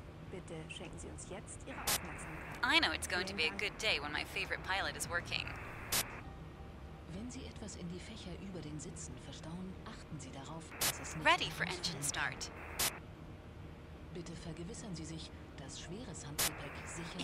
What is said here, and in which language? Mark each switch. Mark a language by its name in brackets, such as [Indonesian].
[German] Bitte schenken Sie uns jetzt Ihre Aufmerksamkeit. [English] I know it's going to be a good day when my favorite pilot is working. [German] Wenn Sie etwas in die Fächer über den Sitzen verstauen, achten Sie darauf, dass es nicht. [English] Ready for engine start. [German] Bitte vergewissern Sie sich, dass schweres Handgepäck sicher ist.